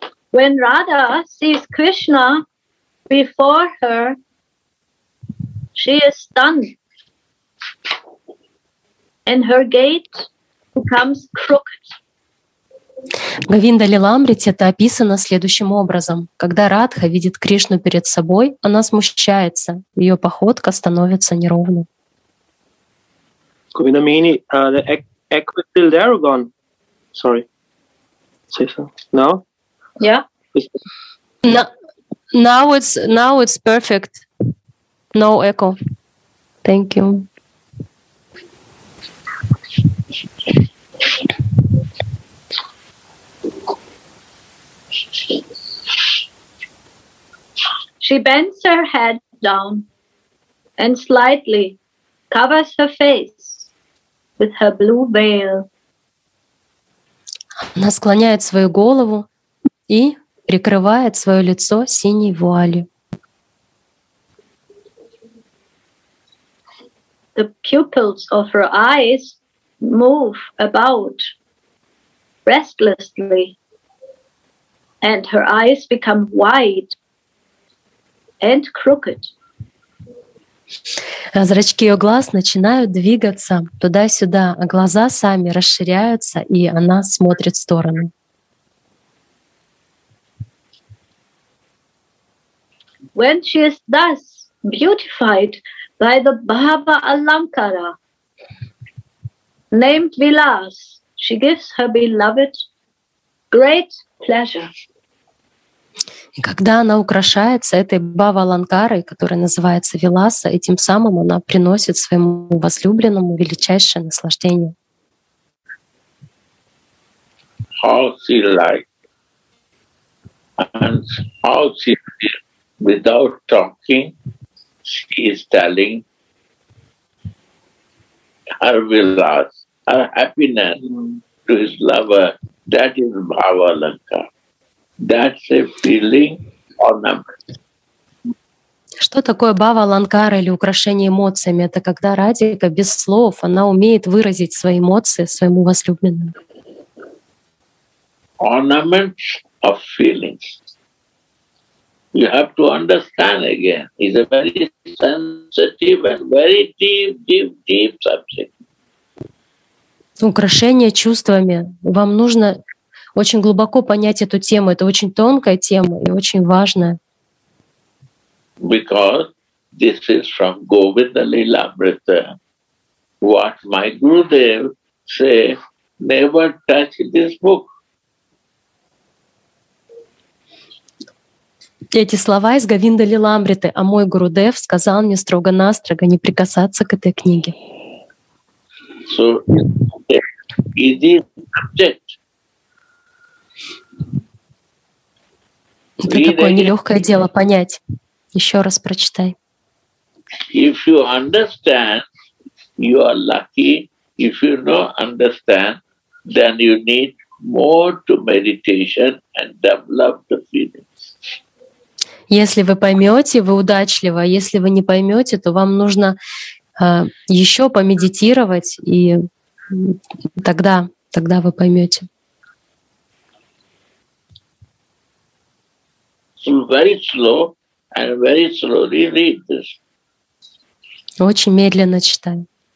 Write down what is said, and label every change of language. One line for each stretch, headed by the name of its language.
English: When Radha sees Krishna before her, she is stunned, and her gait becomes crooked.
Russian: Говинда Лиламрите это описано следующим образом. Когда Радха видит Кришну перед собой, она смущается, ее походка становится неровной.
English: Govinda Mini, the echo is still there or gone? Sorry. Say so. No? Yeah. Now it's perfect. No echo. Thank you. She bends her head down and slightly covers her face with her blue veil.
Russian: Она склоняет свою голову и прикрывает свое лицо синей вуалью.
English: The pupils of her eyes move about restlessly, and her eyes become wide and crooked.
Russian: Зрачки ее глаз начинают двигаться туда-сюда, а глаза сами расширяются, и она смотрит в стороны.
English: When she is thus beautified by the Bhava Alankara, named Vilas, she gives her beloved great pleasure.
Russian: И когда она украшается этой бава-аланкарой, которая называется Виласа, и тем самым она приносит своему возлюбленному величайшее наслаждение.
English: How she likes and how she feels without talking, she is telling her Vilas, her happiness to his lover, that is бава-аланкара. That's a feeling or
Russian: что такое бава-аланкара или украшение эмоциями? Это когда Радика без слов, она умеет выразить свои эмоции своему возлюбленному.
English: Ornaments of feelings. you have to understand again. It's a very sensitive and very deep, deep, deep subject.
Russian: Украшение чувствами. Вам нужно очень глубоко понять эту тему. Это очень тонкая тема и очень важная.
English: Because this is from Govinda Lilamrita. What my Gurudev say, never touch this book.
Russian: Эти слова из Говинда Лиламриты, а мой Гурудев сказал мне строго-настрого не прикасаться к этой книге.
English: So, easy subject.
Russian: Это такое нелегкое дело понять. Еще раз прочитай.
English: If you understand, you are lucky. If you don't understand, then you need more to meditation and develop the feelings.
Russian: Если вы поймете, вы удачливы. Если вы не поймете, то вам нужно еще помедитировать, и тогда вы поймете. Очень медленно читай.